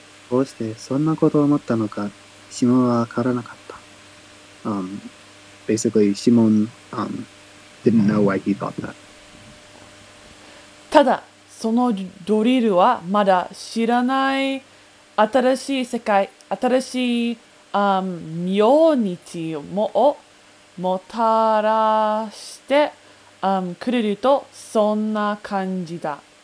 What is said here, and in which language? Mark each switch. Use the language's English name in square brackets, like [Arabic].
[Japanese] どうしてそんなことを思ったのか、シモンはわからなかった。 [English] Basically, シモン, didn't know why he thought that. [Japanese] ただそのドリルはまだ知らない新しい世界、新しい明日をもたらして、くれるとそんな感じだ。